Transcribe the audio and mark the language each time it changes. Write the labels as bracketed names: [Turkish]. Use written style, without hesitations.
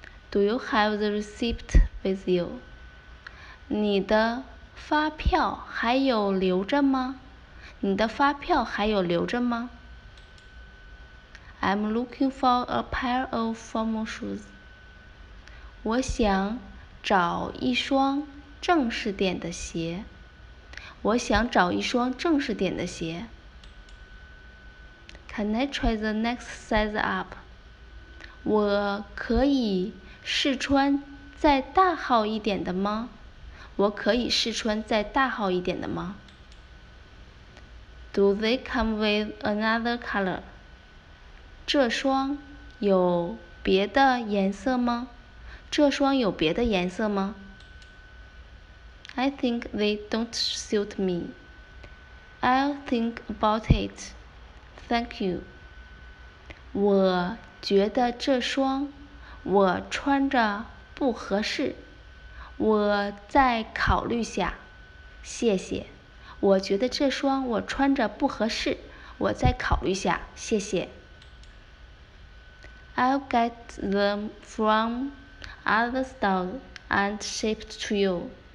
[English] Do you have the receipt with you? [Chinese] 你的发票还有留着吗？你的发票还有留着吗？ [English] I'm looking for a pair of formal shoes. [Chinese] 我想找一双正式点的鞋。我想找一双正式点的鞋。 [English] Can I try the next size up? [Chinese] 我可以试穿再大号一点的吗？我可以试穿再大号一点的吗？ [English] Do they come with another color? [Chinese] 这双有别的颜色吗？这双有别的颜色吗？ [English] I think they don't suit me. I'll think about it. Thank you. [Chinese] 我觉得这双我穿着不合适。我再考虑下，谢谢。我觉得这双我穿着不合适，我再考虑下，谢谢。 [English] I'll get them from other stores and ship to you.